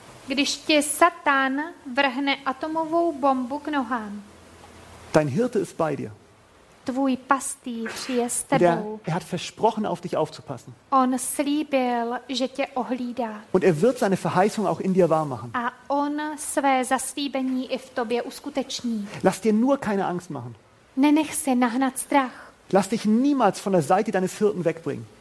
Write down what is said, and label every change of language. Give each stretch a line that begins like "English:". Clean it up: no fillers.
Czech: když tě Satan vrhne atomovou bombu k nohám,
German: dein Hirte ist bei dir.
Czech: Tvůj pastýř je s tebou.
German: Er hat versprochen, auf dich aufzupassen.
Czech: On slíbil, že tě ohlídá.
German: Und er wird seine Verheißung auch in dir wahr machen.
Czech: A on své zaslíbení i v tobě uskuteční.
German: Lass dir nur keine Angst machen.
Czech: Nenech se nahnat strach.
German: Lass dich niemals von der Seite deines Hirten wegbringen.